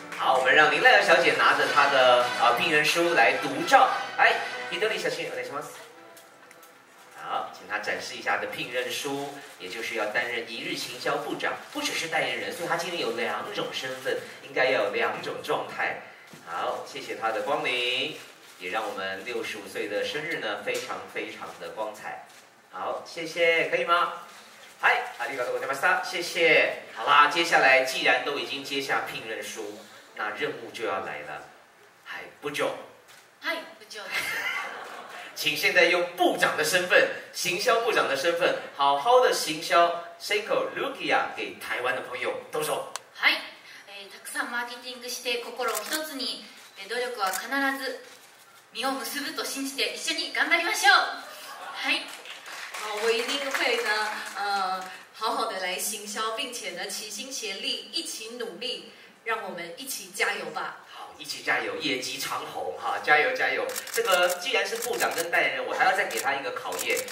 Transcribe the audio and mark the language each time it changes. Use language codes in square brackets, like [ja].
[zh] 好，我们让林濑遥小姐拿着她的聘任书来独照。哎，伊藤里小心， [ja] お願いします。 [zh] 好，请她展示一下的聘任书，也就是要担任一日行销部长，不只是代言人，所以她今天有两种身份，应该要有两种状态。好，谢谢她的光临，也让我们65岁的生日呢非常非常的光彩。好，谢谢，可以吗？嗨， [ja] 阿里嘎多， [zh] 我叫马斯达，谢谢。好啦，接下来既然都已经接下聘任书，那任务就要来了。嗨，部长。嗨，部长。请现在用部长的身份，行销部长的身份，好好的行销 Seiko Lipia 给台湾的朋友，动手。 [ja] 嗨，たくさんマーケティングして心を一つに、努力は必ず実を結ぶと信じて一緒に頑張りましょう。嗨。 [zh] 我一定会呢，好好的来行销，并且呢齐心协力，一起努力，让我们一起加油吧。好，一起加油，业绩长虹哈，加油加油。这个既然是部长跟代言人，我还要再给他一个考验。